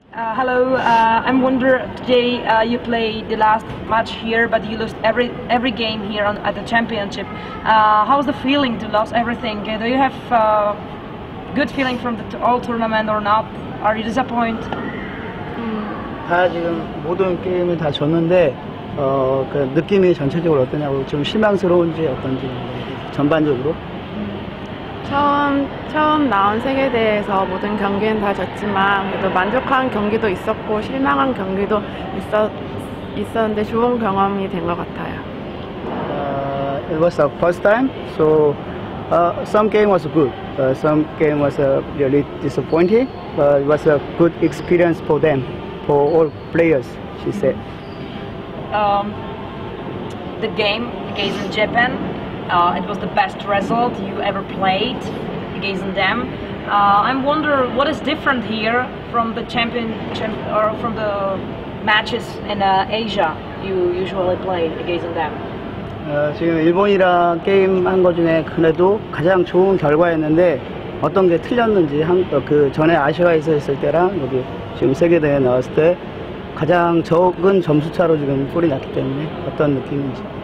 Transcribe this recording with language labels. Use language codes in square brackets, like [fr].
[en] Hello, I'm wonder today you played the last match here, but you lost every game here at the championship. How's the feeling to lose everything? Do you have good feeling from the all tournament or not? Are you disappointed? [ko] 다 지금 모든 게임을 다 졌는데 그 느낌이 전체적으로 어떠냐고 좀 실망스러운지 어떤지 전반적으로. 처음 나온 세계 대회에서 모든 경기는 다 졌지만 그래도 만족한 경기도 있었고 실망한 경기도 있었는데 좋은 경험이 된 것 같아요. [en] It was our first time, so some game was good, some game was really disappointing, but it was a good experience for them, for all players, she said. The game against JPN. It was the best result you ever played against them. I wonder what is different here from the from the matches in Asia you usually play against them. [ko] 지금 일본이랑 게임 한 것 중에 그래도 가장 좋은 결과였는데 어떤 게 틀렸는지 그 전에 아시아에서 있을 때랑 여기 지금 세계대회 나왔을 때 가장 적은 점수 차로 지금 골이 났기 때문에 어떤 느낌인지.